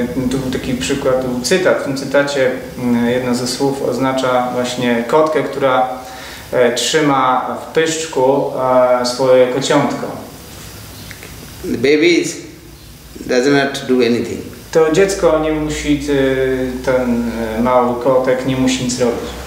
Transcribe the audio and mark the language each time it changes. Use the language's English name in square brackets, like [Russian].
[Polish] To był taki przykład, był cytat. W tym cytacie jedno ze słów oznacza właśnie kotkę, która trzyma w pyszczku swoje kociątko. [English] The baby does not do anything. [Polish] To dziecko nie musi, ten mały kotek nie musi nic robić.